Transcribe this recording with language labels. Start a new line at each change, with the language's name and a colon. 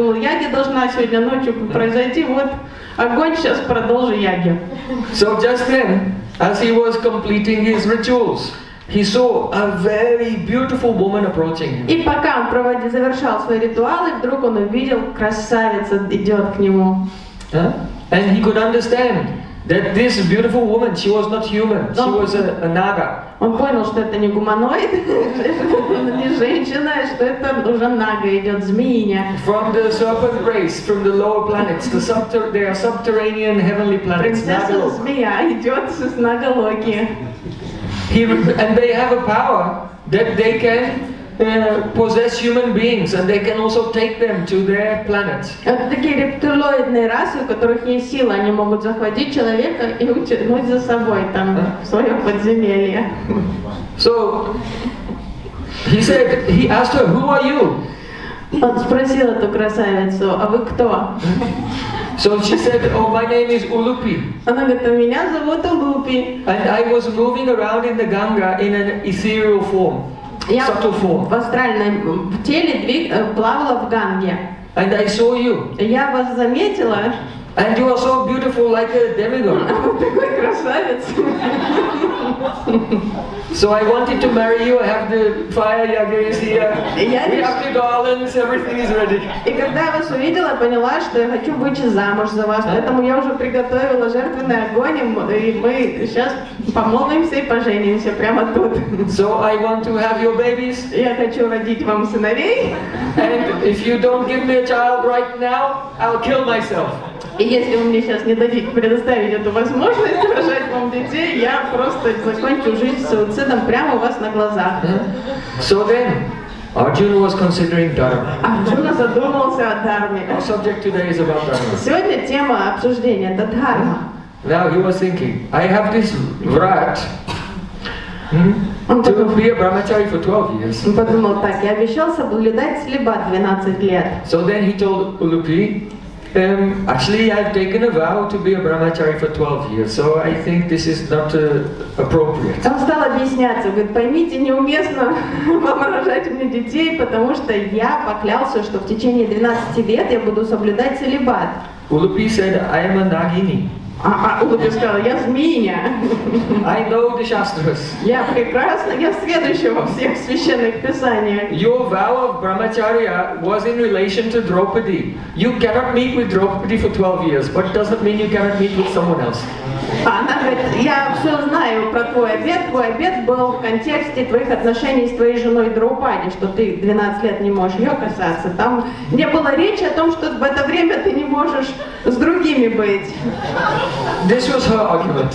Russian: Ягья должна сегодня ночью произойти. Вот огонь, сейчас продолжу ягью.
English: So just then, as he was completing his rituals, he saw a very beautiful woman approaching him.
Russian: И пока он завершал свои ритуалы, вдруг он увидел, красавица идет к нему.
English: And he could understand that this beautiful woman, she was not human, she was a naga.
Russian: Он понял, что это не гуманоид, не женщина, что это уже нага идет, змеиня.
English: From the serpent race, from the lower planets, they are subterranean heavenly planets.
Russian: Принцесса-змея идет с нагалоки.
English: And they have a power that they can possess human beings, and they can also take them to their planet.
Russian: Это такие рептилоидные расы, у которых есть сила, они могут захватить человека и утянуть за собой там в свое подземелье.
English: So he said, he asked her, "Who are you?"
Russian: Он спросил эту красавицу, а вы кто?
English: So she said, "Oh, my name is Ulupi."
Russian: Она говорит, меня зовут Улупи.
English: And I was moving around in the Ganga in an ethereal form, subtle form.
Russian: Я в астральном теле плавала в Ганге.
English: And I saw you.
Russian: Я вас заметила.
English: And you are so beautiful, like a demigod.
Russian: Такой красавец.
English: So I wanted to marry you. I have the fire yagya is here. We have the garlands. Everything is ready.
Russian: И когда я вас увидела, поняла, что я хочу выйти замуж за вас. Поэтому я уже приготовила жертвенный огонь, и мы сейчас помолвимся и поженимся прямо тут.
English: So I want to have your babies.
Russian: Я хочу родить вам сыновей.
English: And if you don't give me a child right now, I'll kill myself.
Russian: И если вы мне сейчас не дадите предоставить эту возможность рожать вам детей, я просто закончу жизнь суицидом прямо у вас на глазах.
English: So then, Arjuna was considering dharma.
Russian: Арджуна задумался о дхарме.
English: Our subject today is about dharma.
Russian: Сегодня тема обсуждения — это дхарма.
English: Now he was thinking, I have this vrat. To be a brahmachari for 12 years.
Russian: Он подумал так: я обещал соблюдать целибат 12 лет.
English: So then he told Ulupi. Actually, I've taken a vow to be a brahmachari for 12 years, so I think this is not appropriate.
Russian: Он стал объясняться, говорит, поймите, неуместно вам рожать мне детей, потому что я поклялся, что в течение 12 лет я буду соблюдать целибат.
English: Ulupi said, I am a nagini.
Russian: Лупи сказал, я змеиня.
English: I know the shastras.
Russian: Я прекрасно, я сведуща во всех священных писаниях.
English: Your vow of brahmacharya was in relation to Draupadi. You cannot meet with Draupadi for 12 years, but it doesn't mean you cannot meet with someone else.
Russian: Она говорит, я все знаю про твой обет был в контексте твоих отношений с твоей женой Драупади, что ты 12 лет не можешь ее касаться. Там не было речи о том, что в это время ты не можешь с другими быть.
English: This was her argument.